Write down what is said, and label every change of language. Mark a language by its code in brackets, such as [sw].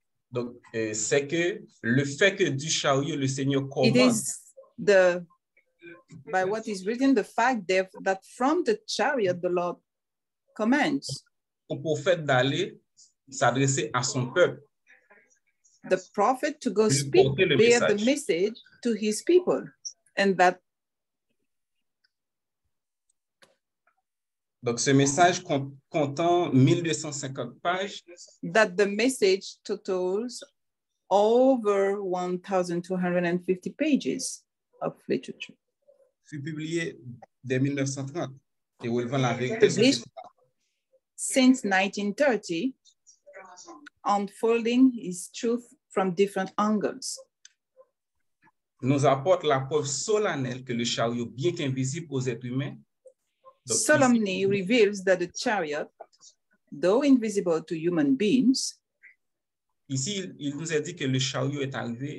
[fr] donc c'est que le fait que du chariot le Seigneur commande [en] the by what is written, the fact that from the chariot the Lord commands. [fr] Le prophète d'aller s'adresser à son peuple. [en] The prophet to go speak, bear the message to his people. And that. [fr] Donc ce message comptant 1250 pages. [en] That the message totals over 1250 pages of literature. [fr] Fut publié dès 1930 et relevant la vérité. [en] Since 1930, unfolding his truth from different angles. [fr] Nous apporte la preuve solennelle que le chariot, bien qu'invisible aux êtres humains, [en] solemnly reveals that the chariot, though invisible to human beings, [fr] ici il nous a dit que le chariot est arrivé.